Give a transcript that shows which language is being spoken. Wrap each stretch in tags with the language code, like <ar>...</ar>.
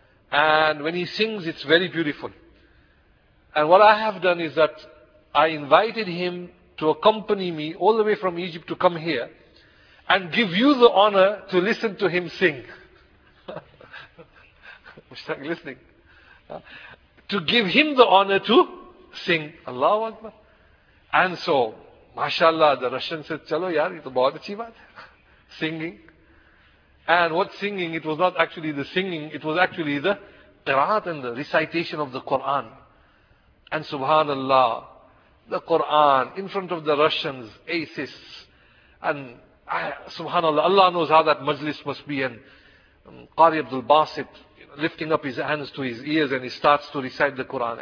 <en>And when he sings, it's very beautiful. And what I have done is that I invited him to accompany me all the way from Egypt to come here and give you the honor to listen to him sing. To give him the honor to sing. Allahu Akbar. And so, mashallah, the Russian said,</en> <ur>چلو یار، یہ تو بہت اچھی بات ہے۔</ur> <en>Singing. And what singing? It was not actually the singing, it was actually the qiraat and the recitation of the Quran. And subhanallah, the Quran in front of the Russians, atheists, and subhanallah, Allah knows how that majlis must be, and Qari Abdul Basit lifting up his hands to his ears and he starts to recite the Quran.</en>